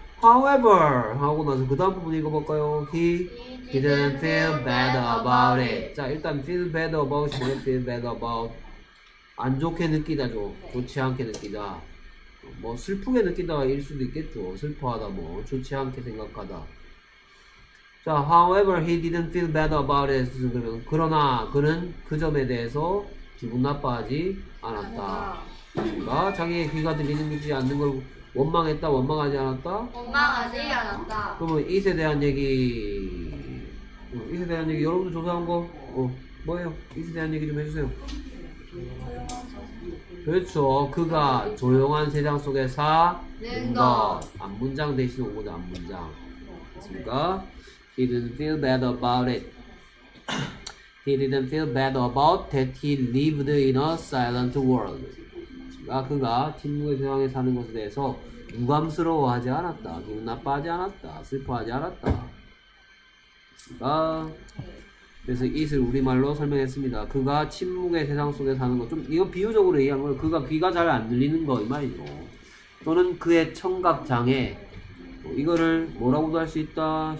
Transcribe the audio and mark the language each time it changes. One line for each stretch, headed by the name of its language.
English: however
Korean: 하고 나서 그 다음 부분 읽어볼까요?
English: he didn't feel bad about it.
Korean: 자 일단 feel bad about 이 뭐예요? feel bad about 안 좋게 느끼다죠. 좋지 않게 느끼다. 뭐 슬프게 느끼다일 수도 있겠죠. 슬퍼하다 뭐 좋지 않게 생각하다.
English: 자 however he didn't feel bad about it.
Korean: 그러면 그러나 그는 그 점에 대해서 기분 나빠하지 않았다. 그러니까 자기의 귀가 들리는 듯이 않는 걸 원망했다, 원망하지 않았다? 원망하지 않았다. 그러면 잇에 대한 얘기. 잇에 대한 얘기, 여러분들 조사한 거, 뭐예요? 잇에 대한 얘기 좀 해주세요. 그렇죠. 그가 조용한 세상 속에 사는 것. 앞 문장 대신 온 거죠, 앞 문장. 맞습니까?
English: He didn't feel bad about it. He didn't feel bad about that he lived in a silent world.
Korean: 아, 그가 침묵의 세상에 사는 것에 대해서 유감스러워하지 않았다, 기분 나빠하지 않았다, 슬퍼하지 않았다. 아, 그래서 이슬 우리말로 설명했습니다. 그가 침묵의 세상 속에 사는 것, 좀 이거 비유적으로 얘기한 거예요. 그가 귀가 잘 안 들리는 거 이 말이죠. 또는 그의 청각장애, 뭐 이거를 뭐라고도 할 수 있다.